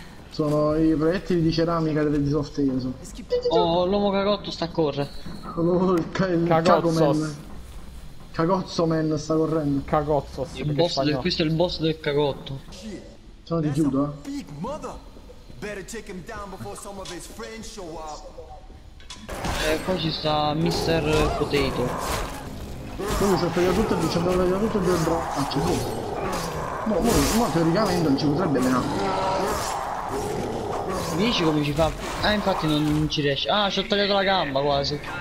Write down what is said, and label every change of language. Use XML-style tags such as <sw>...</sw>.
<it>Sono i proiettili di ceramica delle giostre, io so. Oh, l'uomo cagotto sta a correre. Cagotto. Cagozzo man sta correndo. Cagozzo, il boss del, questo è il boss del cagotto. Sono di judo, eh.</it> <en>Better take him down before some of his friends show up.</en> <it>Qua ci sta Mr. Potato. Quindi se prega tutto dice che prega tutto il bro. Ah, c'è lui. Ma teoricamente non ci potrebbe menare. Dici come ci fa? Ah, infatti non ci riesce. Ah, ci ho tagliato la gamba quasi.</it>